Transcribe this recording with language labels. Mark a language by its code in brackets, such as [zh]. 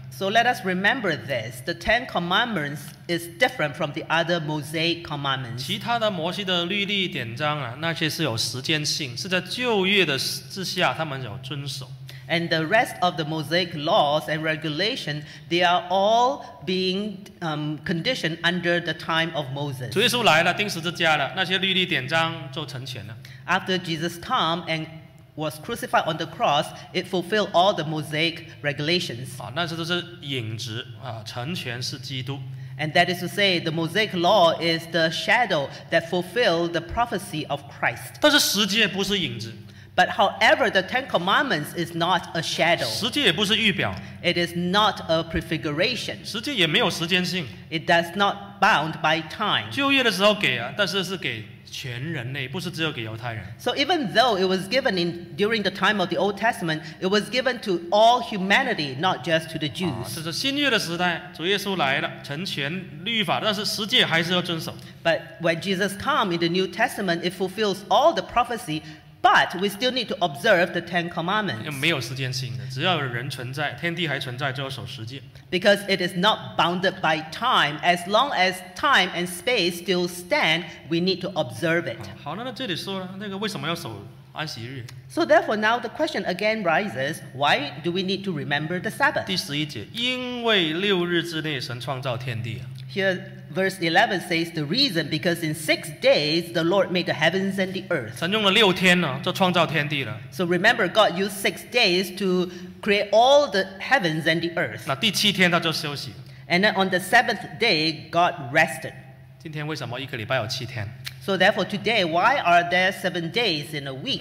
[en] So let us remember this: the Ten Commandments is different from the other Mosaic commandments. [zh] 其他的摩西的律例典章啊，那些是有时间性，是在旧约的之下，他们有遵守。 [en] And the rest of the Mosaic laws and regulation, they are all being conditioned under the time of Moses. [zh] 主耶稣来了，钉十字架了，那些律例典章就成全了。 [en] After Jesus came and was crucified on the cross, it fulfilled all the Mosaic regulations. [zh] 啊，那些都是影子啊，成全是基督。 [en] And that is to say, the Mosaic law is the shadow that fulfilled the prophecy of Christ. [zh] 但是十诫不是影子。 [en] But however, the Ten Commandments is not a shadow. [zh] 十诫也不是预表。 [en] It is not a prefiguration. [zh] 十诫也没有时间性。 [en] It does not bound by time. [zh] 旧约的时候给啊，但是是给全人类，不是只有给犹太人。 [en] So even though it was given in during the time of the Old Testament, it was given to all humanity, not just to the Jews. [zh] 这是新约的时代，主耶稣来了，成全律法，但是十诫还是要遵守。 [en] But when Jesus came in the New Testament, it fulfills all the prophecy. But we still need to observe the Ten Commandments. [zh] 没有时间性的，只要人存在，天地还存在，就要守十诫。 [en] Because it is not bounded by time. As long as time and space still stand, we need to observe it. [zh] 好，那这里说了，那个为什么要守安息日？ [en] So therefore, now the question again rises: Why do we need to remember the Sabbath? [zh] 第十一节，因为六日之内神创造天地。 [en] Here, verse 11 says the reason because in 6 days the Lord made the heavens and the earth. [zh] 神用了六天呢，就创造天地了。 [en] So remember, God used 6 days to create all the heavens and the earth. [zh] 那第七天他就休息。 [en] And then on the seventh day, God rested. [zh] 今天为什么一个礼拜有七天？ [en] So therefore, today, why are there 7 days in a week?